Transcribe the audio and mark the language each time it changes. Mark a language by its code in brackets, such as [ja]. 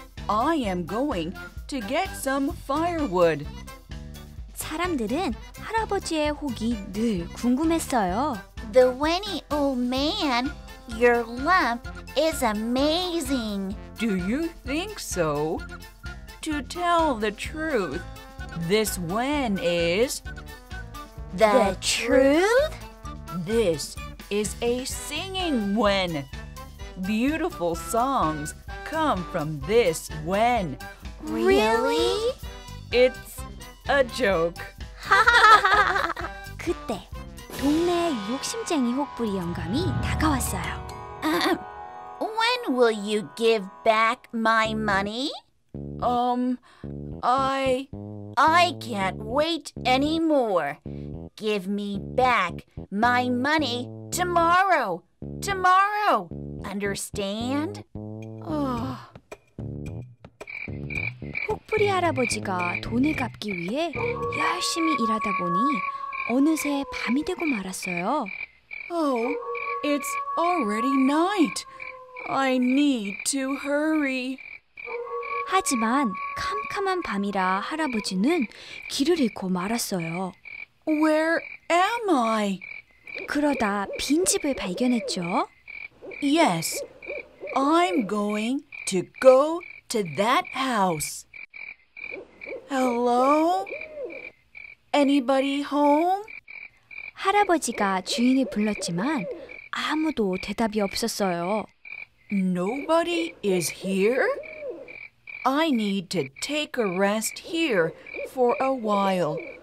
[en] I am going to get some firewood. [ko] 사람들은 할아버지의 혹이 늘 궁금했어요. [en] The Wenny Old Man, your lamp is amazing. Do you think so? To tell the truth, this when is... The truth? This is a singing wen. Beautiful songs come from this wen. Really? It's a joke. [ko] 그때 동네에 욕심쟁이 혹부리 영감이 다가왔어요. [en] When will you give back my money? I can't wait anymore. Give me back my money tomorrow. Tomorrow. Understand? [ko] 혹부리 할아버지가 돈을 갚기 위해 열심히 일하다 보니 어느새 밤이 되고 말았어요. [en] Oh, it's already night. I need to hurry. [ko] 하지만 캄캄한 밤이라 할아버지는 길을 잃고 말았어요. [en] Where am I? [ko] 그러다 빈집을 발견했죠. [en] Yes, I'm going to go to that house. Hello? Anybody home? [ko] 할아버지가 주인을 불렀지만 아무도 대답이 없었어요. [en] Nobody is here? I need to take a rest here for a while.